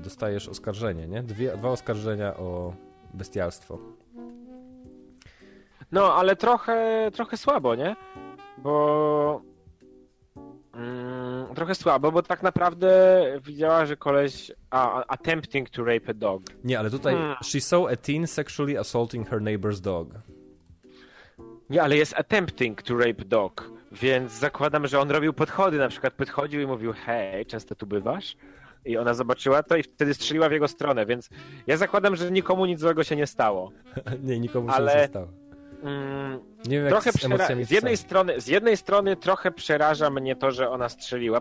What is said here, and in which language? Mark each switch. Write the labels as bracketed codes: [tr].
[pl] Dostajesz oskarżenie, nie? Dwa oskarżenia o bestialstwo. No, ale trochę słabo, nie? Bo. Trochę słabo, bo tak naprawdę widziała, że koleś. [en] Attempting to rape a dog. [pl] Nie, ale tutaj. [en] She saw a teen sexually assaulting her neighbor's dog. [pl] Nie, ale jest [en] attempting to rape dog. [pl] Więc zakładam, że on robił podchody, na przykład podchodził i mówił, hej, często tu bywasz? I ona zobaczyła to i wtedy strzeliła w jego stronę, więc ja zakładam, że nikomu nic złego się nie stało. Nie, nikomu się nie stało. Nie wiem, trochę z jednej strony trochę przeraża mnie to, że ona strzeliła.